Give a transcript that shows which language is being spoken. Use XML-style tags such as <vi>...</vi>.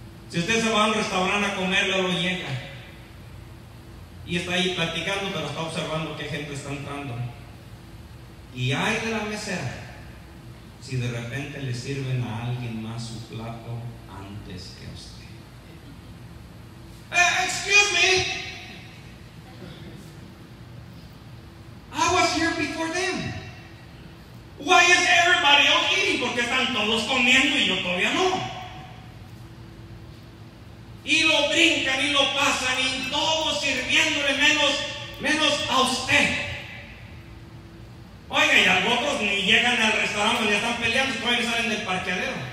<es>Si usted se va a un restaurante a comer, luego llega y está ahí platicando, pero está observando qué gente está entrando. Y ay de la mesera si de repente le sirven a alguien más su plato antes que a usted.</es> <en>Excuse me, I was here before them. Why is everybody all eating?</en> <es>Porque están todos comiendo y yo todavía no. Y lo brincan y lo pasan y todos sirviéndole menos a usted. Oiga, y algunos ni llegan al restaurante, ya están peleando, todavía salen del parqueadero.</es>